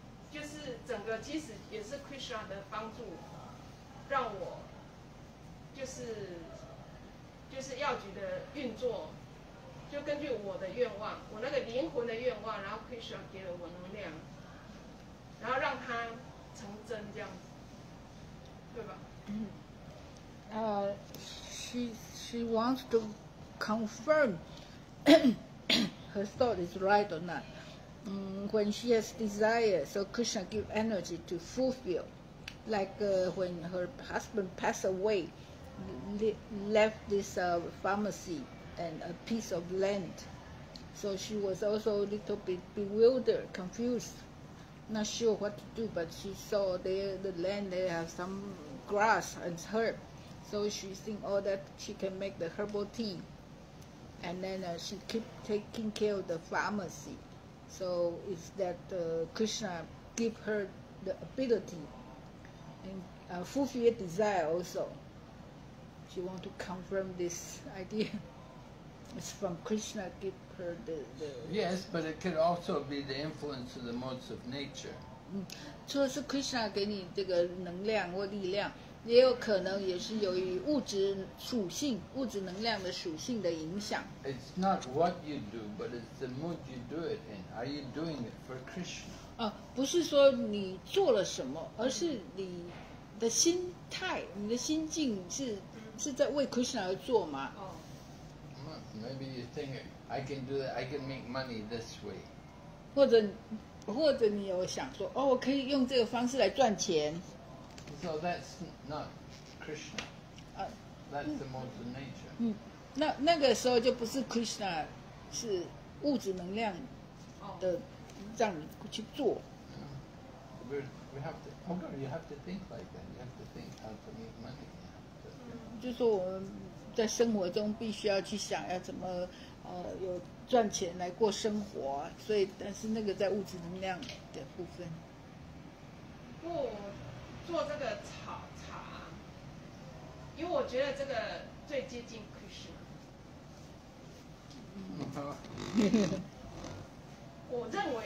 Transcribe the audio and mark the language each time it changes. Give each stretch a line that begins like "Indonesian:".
Chinese: 就是整个即使也是 Krishna 的帮助，让我就是药局的运作。就根据我的愿望，我那个灵魂的愿望，然后 Krishna 给了我能量，然后让它成真，这样子，对吧？嗯。
English: She wants to confirm her thought is right or not. When she has desire, so Krishna give energy to fulfill. Like when her husband passed away, left this pharmacy. And a piece of land. So she was also a little bit bewildered, confused, not sure what to do, but she saw there the land, they have some grass and herb. So she thinks, oh, that she can make the herbal tea. And then she keep taking care of the pharmacy. So it's that Krishna give her the ability and fulfill desire also. She want to confirm this idea. It's from Krishna give her the... Yes, but it could also be the influence of the modes of nature.
Chinese: 除了是 Krishna 给你这个能量或力量，也有可能也是由于物质属性、物质能量的属性的影响。
English: It's not what you do, but it's the mood you do it in. Are you doing it for Krishna?
Chinese: 不是说你做了什么，而是你的心态、你的心境是在为 Krishna 而做吗？
English: Maybe you think I can do that. I can make money this way.
Chinese: 或者你有想说哦，我可以用这个方式来赚钱。
English: So that's not Krishna. That's the mode of nature.
Chinese: 那个时候就不是 Krishna， 是物质能量的让你去做。
English: We have to. Oh no, you have to think like that. You have to think how to make money.
Chinese: 就是我们。在生活中必须要去想要怎么有赚钱来过生活，所以但是那个在物质能量的部分。不做这个炒茶，因为我觉得这个最接近 Krishna。